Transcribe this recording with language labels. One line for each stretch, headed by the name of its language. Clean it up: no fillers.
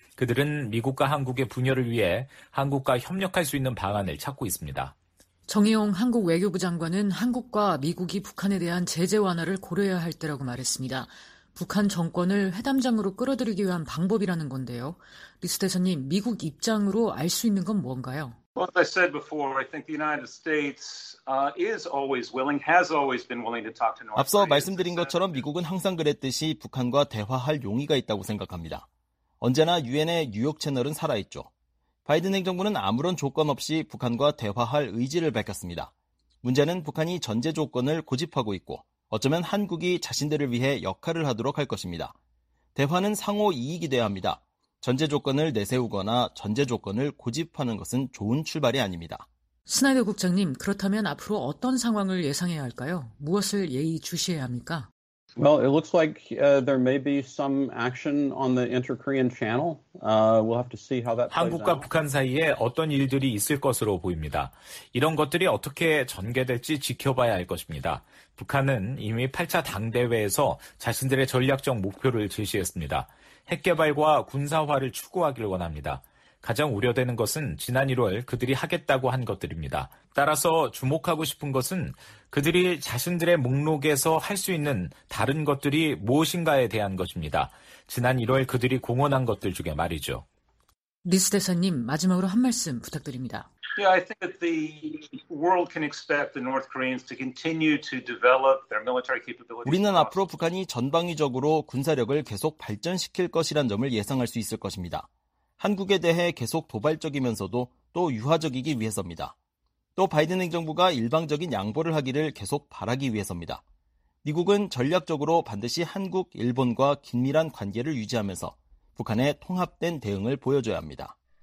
Korean: 그들은 미국과 한국의 분열을 위해 한국과 협력할 수 있는 방안을 찾고 있습니다. 정의용 한국 외교부 장관은 한국과 미국이 북한에 대한 제재 완화를 고려해야 할 때라고 말했습니다. 북한 정권을 회담장으로 끌어들이기 위한 방법이라는 건데요. 리스 대사님, 미국 입장으로 알 수 있는 건 뭔가요?
English: Well, as I said before, I think the United States is always willing, has always been willing to talk to North.
Korean: 앞서 말씀드린 것처럼 미국은 항상 그랬듯이 북한과 대화할 용의가 있다고 생각합니다. 언제나 유엔의 뉴욕 채널은 살아있죠. 바이든 행정부는 아무런 조건 없이 북한과 대화할 의지를 밝혔습니다. 문제는 북한이 전제 조건을 고집하고 있고 어쩌면 한국이 자신들을 위해 역할을 하도록 할 것입니다. 대화는 상호 이익이 돼야 합니다. 전제 조건을 내세우거나 전제 조건을 고집하는 것은 좋은 출발이 아닙니다. 스나이더 국장님, 그렇다면 앞으로 어떤 상황을 예상해야 할까요? 무엇을 예의주시해야 합니까?
English: Well, it looks like there may be some action on the inter-Korean channel. We'll have to see how that plays out.
Korean: 한국과 북한 사이에 어떤 일들이 있을 것으로 보입니다. 이런 것들이 어떻게 전개될지 지켜봐야 할 것입니다. 북한은 이미 8차 당대회에서 자신들의 전략적 목표를 제시했습니다. 핵개발과 군사화를 추구하길 원합니다. 가장 우려되는 것은 지난 1월 그들이 하겠다고 한 것들입니다. 따라서 주목하고 싶은 것은 그들이 자신들의 목록에서 할 수 있는 다른 것들이 무엇인가에 대한 것입니다. 지난 1월 그들이 공언한 것들 중에 말이죠. 리스 대사님, 마지막으로 한 말씀 부탁드립니다.
English: Yeah, I think that the world can expect the North Koreans to continue to develop their military capabilities.
Korean: 우리는 앞으로 북한이 전방위적으로 군사력을 계속 발전시킬 것이란 점을 예상할 수 있을 것입니다. 한국에 대해 계속 도발적이면서도 또 유화적이기 위해서입니다. 또 바이든 행정부가 일방적인 양보를 하기를 계속 바라기 위해서입니다. 미국은 전략적으로 반드시 한국, 일본과 긴밀한 관계를 유지하면서 북한의 통합된 대응을 보여줘야 합니다.